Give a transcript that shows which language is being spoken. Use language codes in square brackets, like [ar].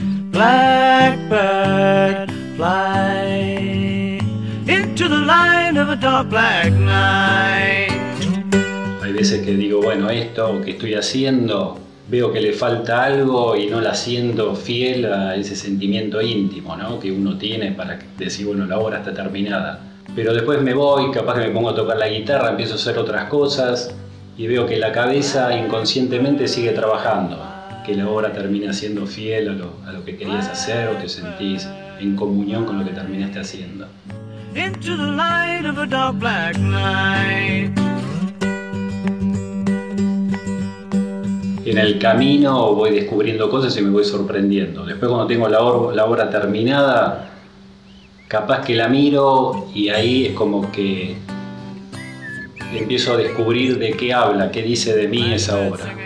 [en] Blackbird fly into the line of a dark black night. [es] Hay veces que digo, bueno, esto que estoy haciendo, veo que le falta algo y no la siento fiel a ese sentimiento íntimo, ¿no? Que uno tiene para decir, bueno, la obra está terminada. Pero después me voy, capaz que me pongo a tocar la guitarra, empiezo a hacer otras cosas y veo que la cabeza inconscientemente sigue trabajando, que la obra termina siendo fiel a lo que querías hacer o te sentís en comunión con lo que terminaste haciendo. [en] Into the light of a dark black night. [es] En el camino voy descubriendo cosas y me voy sorprendiendo. Después cuando tengo la obra terminada, capaz que la miro y ahí es como que empiezo a descubrir de qué habla, qué dice de mí esa obra.